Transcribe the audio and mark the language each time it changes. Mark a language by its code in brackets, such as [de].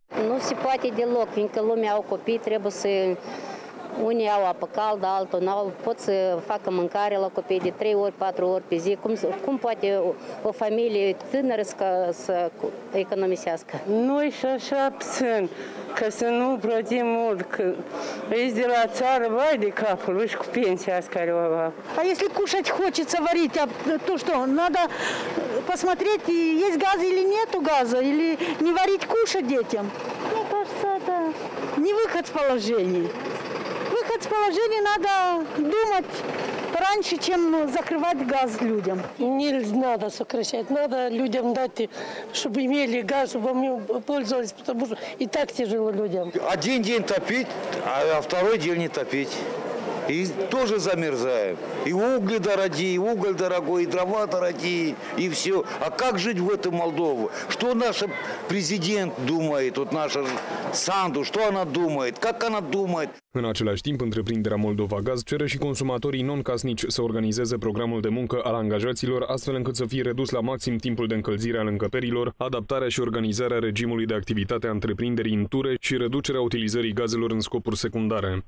[ro] Nu se poate deloc, fiindcă lumea au copii, trebuie să... Unii au apă caldă, altul n-au, pot să facă mâncare la copii de 3 ori, 4 ori pe zi. Cum poate o familie tânără să economisească? Noi și așa sunt, că să nu plătim mult, că ești de la țară, vai de capul, ești cu pensia asta care o va. [ru] A если кушать хочется варить, то что, надо посмотреть, есть газ или нету газа, или не варить кушать детям? Мне кажется, это... Не выход с положения. Выход с положения надо думать раньше, чем закрывать газ людям. Не надо сокращать, надо людям дать, чтобы имели газ, чтобы мы пользовались, потому что и так тяжело людям. Один день топить, а второй день не топить. И тоже замерзаем. И угли дорогие, и уголь дорогой, и дрова дорогие, и все. А как жить в этой Молдове? Что наш президент думает, вот наша Санду, что она думает, как она думает? [ro] În același timp, întreprinderea Moldova Gaz cere și consumatorii non-casnici să organizeze programul de muncă al angajaților, astfel încât să fie redus la maxim timpul de încălzire al încăperilor, adaptarea și organizarea regimului de activitate a întreprinderii în ture și reducerea utilizării gazelor în scopuri secundare.